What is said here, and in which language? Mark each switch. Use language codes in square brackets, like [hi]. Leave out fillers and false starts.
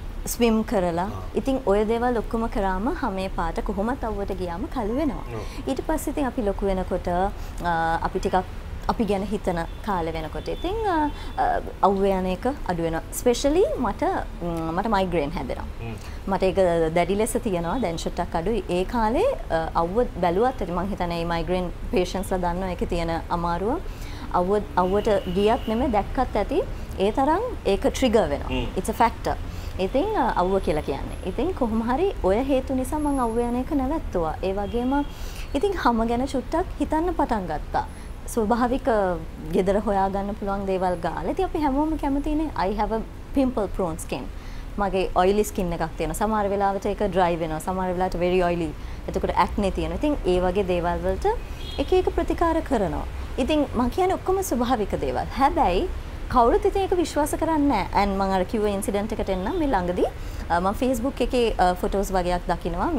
[si] Swim කරලා ඉතින් ඔය දේවල් ඔක්කොම කරාම හැමේ පාට කොහොමත් අවුවට ගියාම කළු වෙනවා ඊට පස්සේ ඉතින් අපි ලොකු වෙනකොට අපි ටිකක් අපි ගැන හිතන කාලේ වෙනකොට ඉතින් අවුව යන එක අඩු වෙනවා ස්පෙෂලි මට මයිග්‍රේන් හැදෙනවා මට ඒක දැඩි ලෙස තියෙනවා දැන් ෂොට්ටක් අඩුයි ඒ කාලේ අවුව බැලුවත් ඇති මං හිතන්නේ මේ මයිග්‍රේන් පේෂන්ට්ස්ලා දන්නවා ඒකේ තියෙන අමාරුව අවුවට ගියත් නෙමෙයි දැක්කත් ඇති ඒ තරම් ඒක ට්‍රිගර් වෙනවා [en] it's a factor [si] ඉතින් අවුව කියලා කියන්නේ. ඉතින් කොහොම හරි ඔය හේතු නිසා මම අවුව යන එක නැවැත්තුවා. ඒ වගේම ඉතින් හැම ගැන චුට්ටක් හිතන්න පටන් ගත්තා. ස්වභාවික gedara හොයා ගන්න පුළුවන් දේවල් ගාලා. ඉතින් අපි හැමෝම කැමතිනේ [en] I have a pimple prone skin. [si] මගේ oily skin එකක් තියෙනවා. සමහර වෙලාවට ඒක dry වෙනවා. සමහර වෙලාවට [en] very oily. [si] එතකොට acne තියෙනවා. ඉතින් ඒ වගේ දේවල් වලට එක එක ප්‍රතිකාර කරනවා. ඉතින් මම කියන්නේ ඔක්කොම ස්වභාවික දේවල්. හැබැයි කවුරුත් ඉතින් ඒක විශ්වාස කරන්නේ නැහැ. and මම අර කිව්ව incident එකට එන්නම් මේ ළඟදී මම Facebook එකේ photos වගේක් දකිනවා.